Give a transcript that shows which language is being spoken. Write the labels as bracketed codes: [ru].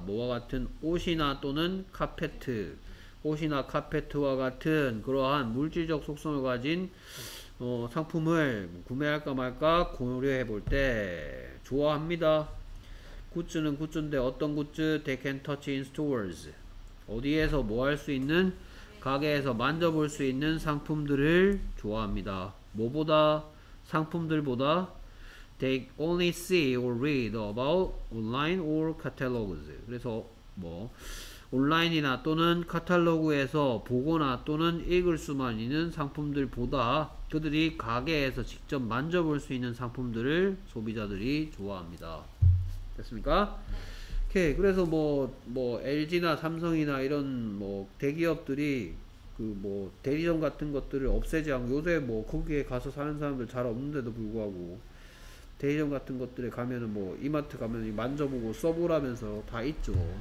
[ko] 뭐와 같은 옷이나 또는 카펫, 옷이나 카펫과 같은 그러한 물질적 속성을 가진 상품을 구매할까 말까 고려해 볼 때 좋아합니다. 굿즈는 굿즈인데 어떤 굿즈? [en] They can touch in stores. [ko] 어디에서 뭐 할 수 있는? 가게에서 만져볼 수 있는 상품들을 좋아합니다. 뭐보다? 상품들보다? [en] They only see or read about online or catalogs. [ko] 그래서 뭐 온라인이나 또는 카탈로그에서 보거나 또는 읽을 수만 있는 상품들보다 그들이 가게에서 직접 만져볼 수 있는 상품들을 소비자들이 좋아합니다. 됐습니까? 오케이. 그래서 뭐 LG나 삼성이나 이런 뭐 대기업들이 그 뭐 대리점 같은 것들을 없애지 않고 요새 뭐 거기에 가서 사는 사람들 잘 없는데도 불구하고 대리점 같은 것들에 가면은 뭐 이마트 가면 만져보고 써보라면서 다 있죠.